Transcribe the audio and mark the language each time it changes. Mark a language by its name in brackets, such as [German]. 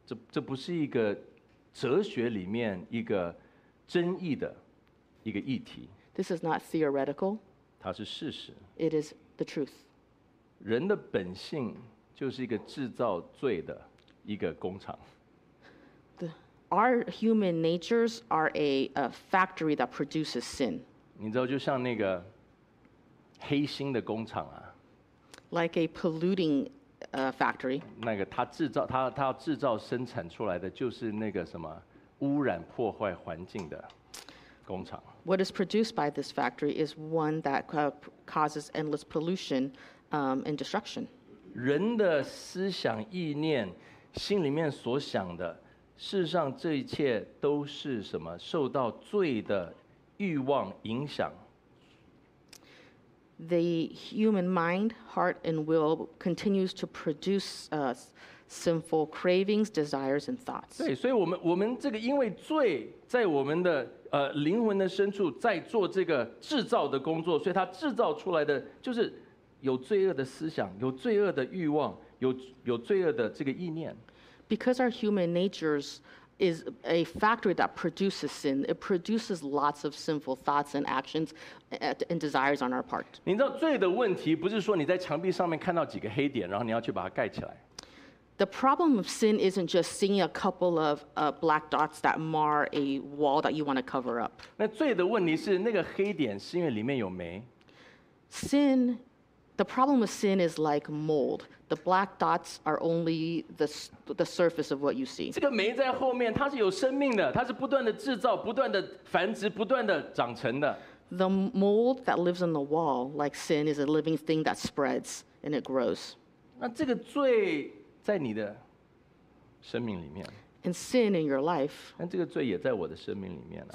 [Chinese] 这不是一个哲学里面一个争议的一个议题。 [English] This is not theoretical。 [Chinese] 它是事实。 [English] It is the truth。 [Chinese] 人的本性就是一个制造罪的。一个工厂。 [English] Our human natures are a factory that produces sin. [Chinese] 你知道，就像那个黑心的工厂啊。 [English] Like a polluting factory. [Chinese] 那个它制造，它要制造生产出来的就是那个什么污染破坏环境的工厂。 [English] What is produced by this factory is one that causes endless pollution, and destruction. [Chinese] 人的思想意念。心里面所想的，事实上这一切都是什么？受到罪的欲望影响。 [English] The human mind, heart, and will continues to produce sinful cravings, desires, and thoughts. [Chinese] 对，所以我们这个因为罪在我们的灵魂的深处在做这个制造的工作，所以它制造出来的就是有罪恶的思想，有罪恶的欲望。有罪恶的这个意念 [English] ，because our human natures is a factory that produces sin. It produces lots of sinful thoughts and actions and desires on our part. [Chinese] 你知道罪的问题不是说你在墙壁上面看到几个黑点，然后你要去把它盖起来。 [English] The problem of sin isn't just seeing a couple of black dots that mar a wall that you want to cover up. [Chinese] 那罪的问题是那个黑点是因为里面有霉。 [English] Sin. The problem with sin is like mold. The black dots are only the surface of what you see. [Chinese] 这个霉在后面，它是有生命的，它是不断的制造、不断的繁殖、不断的长成的。 [English] The mold that lives on the wall, like sin, is a living thing that spreads and it grows. [Chinese] 那这个罪在你的生命里面。 [English] And sin in your life. [Chinese] 但这个罪也在我的生命里面啊。